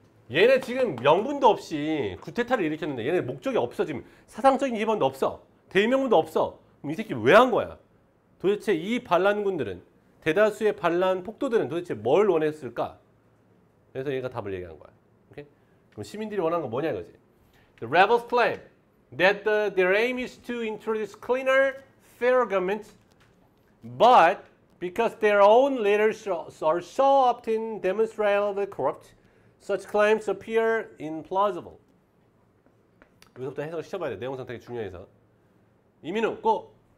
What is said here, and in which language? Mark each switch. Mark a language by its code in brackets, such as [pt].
[ko] 얘네 지금 명분도 없이 쿠데타를 일으켰는데 얘네 목적이 없어. 지금 사상적인 기반도 없어. 대의명분도 없어. 그럼 이 새끼 왜 한 거야? 도대체 이 반란군들은, 대다수의 반란 폭도들은 도대체 뭘 원했을까? 그래서 얘가 답을 얘기한 거야. 오케이? 그럼 시민들이 원하는 건 뭐냐 이거지. [en] The rebels claim that their aim is to introduce cleaner, fair government, but because their own leaders are so often demonstrably corrupt, such claims appear implausible. [ko] 여기서부터 해석을 시켜봐야 돼. 내용상 되게 중요해서. 이민우, 고!